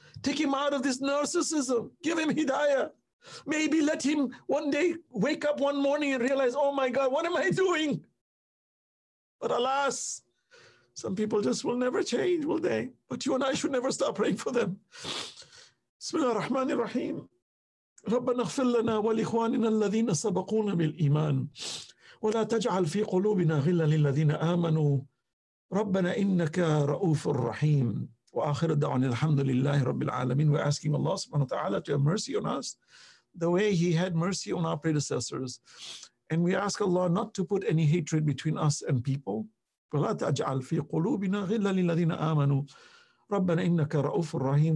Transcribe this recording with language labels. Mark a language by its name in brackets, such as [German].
[English] Take him out of this narcissism. Give him hidayah. Maybe let him one day wake up one morning and realize, oh my God, what am I doing? But alas, some people just will never change, will they? But you and I should never stop praying for them. Bismillah ar-Rahman ar-Rahim. [Arabic] ربنا اغفر لنا ولإخواننا الذين سبقونا بالإيمان ولا تجعل في قلوبنا غلا للذين آمنوا ربنا إنك رؤوف رحيم وآخر الدعوان الحمد لله رب العالمين. [English] We're asking Allah subhanahu wa ta'ala to have mercy on us the way he had mercy on our predecessors. And we ask Allah not to put any hatred between us and people. [Arabic] ولا تجعل في قلوبنا غلا للذين آمنوا ربنا إنك رؤوف رحيم.